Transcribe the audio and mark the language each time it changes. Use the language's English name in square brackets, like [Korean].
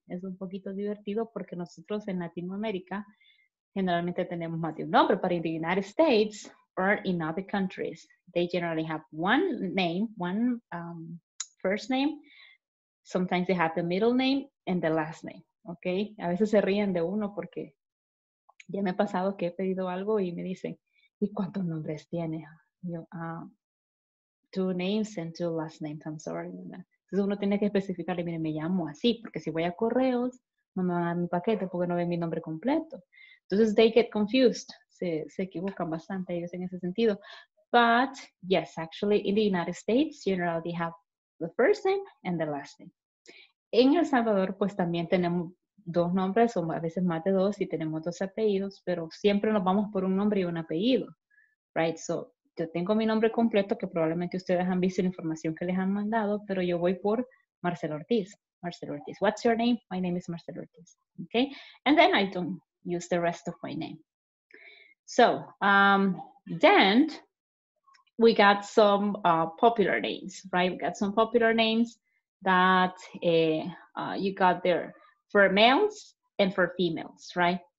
[Spanish] Es un poquito divertido porque nosotros en Latinoamérica generalmente tenemos más de un nombre, [English] but in the United States or in other countries, they generally have one name, one first name. Sometimes they have the middle name and the last name, okay? [Spanish] A veces se ríen de uno porque ya me ha pasado que he pedido algo y me dicen, ¿y cuántos nombres tiene? [English] Yo, two names and two last names, I'm sorry. [Spanish] Entonces uno tiene que especificarle, mire, me llamo así, porque si voy a correos, no me van a dar mi paquete porque no ven mi nombre completo. Entonces [English] they get confused. [Spanish] Se equivocan bastante ellos en ese sentido. [English] But, yes, actually, in the United States, generally they have the first name and the last name. [Spanish] En El Salvador, pues también tenemos dos nombres, o a veces más de dos, y tenemos dos apellidos, pero siempre nos vamos por un nombre y un apellido, right? So, yo tengo mi nombre completo, que probablemente ustedes han visto la información que les han mandado, pero yo voy por Marcel Ortiz. [English] Marcel Ortiz. What's your name? My name is Marcel Ortiz. Okay? And then I don't use the rest of my name. So, then we got some popular names, right? We got some popular names that you got there for males and for females, right?